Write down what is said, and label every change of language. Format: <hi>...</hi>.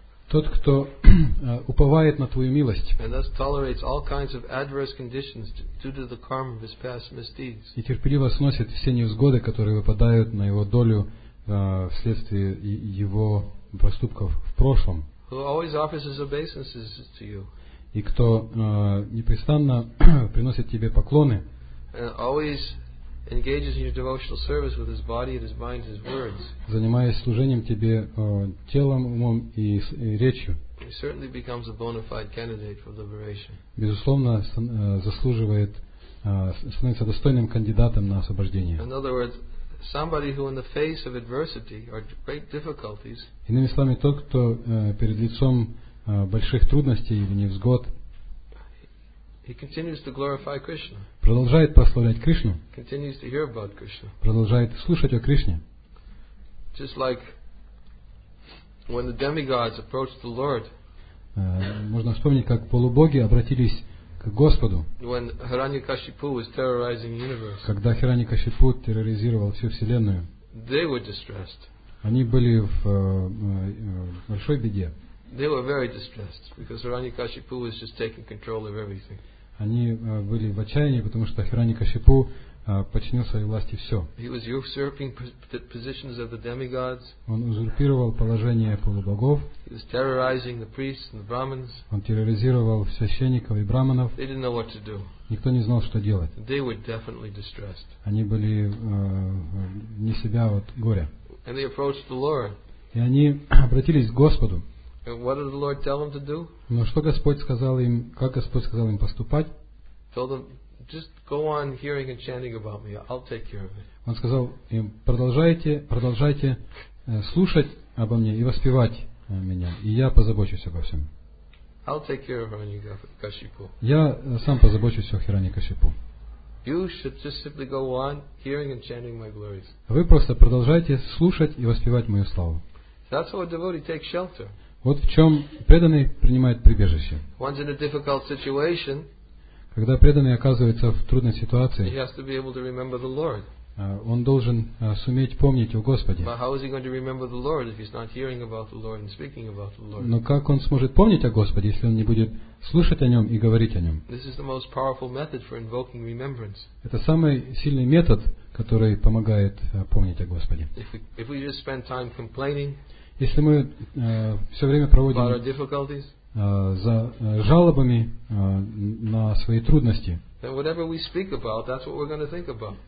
<ru>Тот, кто уповает на твою милость.</ru> <en>And thus tolerates all kinds of adverse conditions due to the karma of his past misdeeds.</en> <ru>И терпеливо сносит все невзгоды, которые выпадают на его долю вследствие его проступков в прошлом.</ru> <en>Who always offers his obeisances to you.</en> <ru>И кто непрестанно приносит тебе поклоны.</ru> <en>And always engages in your devotional service with his body and his mind and his words.</en> <ru>Занимаясь служением тебе телом, умом и речью.</ru> <en>He certainly becomes a bona fide candidate for liberation.</en> <ru>Безусловно, заслуживает, становится достойным кандидатом на освобождение.</ru> <en>In other words, somebody who in the face of adversity or great difficulties.</en> <ru>Иными словами, тот, кто перед лицом больших трудностей или невзгод.</ru> <en>He continues to glorify Krishna.</en> <ru>Продолжает прославлять Кришну.</ru> <en>Continues to hear about Krishna.</en> <ru>Продолжает слушать о Кришне.</ru> <en>Just like when the demigods approached the Lord.</en> <ru>Можно вспомнить, как полубоги обратились к Господу.</ru> <en>When Hiranyakashipu was terrorizing the universe.</en> <ru>Когда Хираньякашипу терроризировал всю вселенную.</ru> <en>They were distressed.</en> <ru>Они были в большой беде.</ru> <en>They were very distressed because Hiranyakashipu was just taking control of everything.</en> <ru>Они были в отчаянии, потому что Хираньякашипу подчинил своей власти все.</ru> <en>He was usurping the positions of the demigods.</en> <ru>Он узурпировал положение полубогов.</ru> <en>He was terrorizing the priests and the brahmins.</en> <ru>Он терроризировал священников и браманов.</ru> <en>They didn't know what to do.</en> <ru>Никто не знал, что делать.</ru> <en>They were definitely distressed.</en> <ru>Они были вне себя от горя.</ru> <en>And they approached the Lord.</en> <ru>И они обратились к Господу.</ru> <en>What did the Lord tell them to do?</en> <ru>Но что Господь сказал им, как Господь сказал им поступать?</ru> <en>Told them, just go on hearing and chanting about me. I'll take care of it.</en> <ru>Он сказал им, продолжайте слушать обо мне и воспевать меня, и я позабочусь обо всем.</ru> <en>I'll take care of Hiranyakashipu.</en> <ru>Я сам позабочусь о Хиранякашипу.</ru> <en>You should just simply go on hearing and chanting my glories.</en> <ru>Вы просто продолжайте слушать и воспевать мою славу.</ru> <en>That's how a devotee takes shelter.</en> <ru>Вот в чем преданный принимает прибежище.</ru> <en>Once in a difficult situation,</en> <ru>когда преданный оказывается в трудной ситуации,</ru> <en>he has to be able to remember the Lord.</en> <ru>Он должен суметь помнить о Господе.</ru> <en>But how is he going to remember the Lord if he's not hearing about the Lord and speaking about the Lord?</en> <ru>Но как он сможет помнить о Господе, если он не будет слушать о нем и говорить о нем?</ru> <en>This is the most powerful method for invoking remembrance.</en> <ru>Это самый сильный метод, который помогает помнить о Господе.</ru> <en>If we just spend time complaining.</en> <ru>Если мы все время проводим за жалобами на свои трудности,</ru> <en>about,</en>